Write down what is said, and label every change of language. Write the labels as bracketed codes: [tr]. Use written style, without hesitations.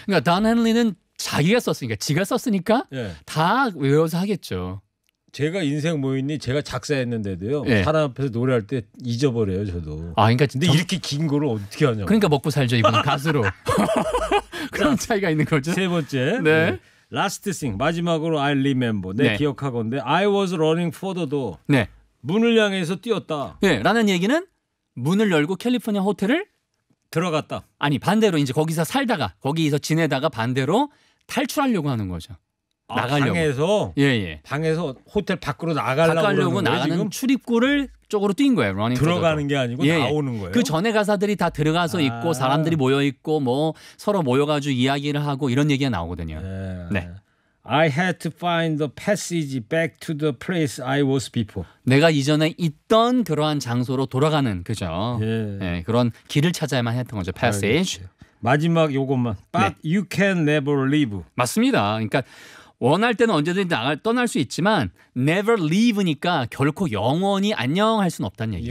[ko] 그러니까 단 헨리는 자기가 썼으니까 지가 썼으니까 네. 다 외워서 하겠죠. 제가 인생 뭐 있니 제가 작사했는데도요. 네. 사람 앞에서 노래할 때 잊어버려요, 저도. 아, 그러니까 근데 이렇게 긴 거를 어떻게 하냐고. 그러니까 먹고 살죠, 이분 가수로. 그런 자, 차이가 있는 거죠. 세 번째. 네. 네. [en] Last thing. [ko] 마지막으로 [en] I remember. [ko] 내 네. 기억하건대 [en] I was running for the door. [ko] 네. 문을 향해서 뛰었다. 네, 라는 얘기는 문을 열고 캘리포니아 호텔을 들어갔다. 아니, 반대로 이제 거기서 살다가 거기서 지내다가 반대로 탈출하려고 하는 거죠. 나가려고. 방에서 예예. 예. 방에서 호텔 밖으로 나가려고 그러는 거예요, 나가는 지금? 출입구를 쪽으로 뛴 거예요. 러닝 들어가는 게 아니고 예. 나오는 거예요. 그 전에 가사들이 다 들어가서 있고 사람들이 모여 있고 뭐 서로 모여가지고 이야기를 하고 이런 얘기가 나오거든요. 네. 네. [en] I had to find the passage back to the place I was before. [ko] 내가 이전에 있던 그러한 장소로 돌아가는 그죠. 예. 네. 그런 길을 찾아야만 했던 거죠. Passage. 알겠지. 마지막 요것만. [en] But [ko] 네. [en] you can never leave. [ko] 맞습니다. 그러니까. 원할 때는 언제든지 떠날 수 있지만 never leave니까 결코 영원히 안녕할 수는 없다는 얘기죠.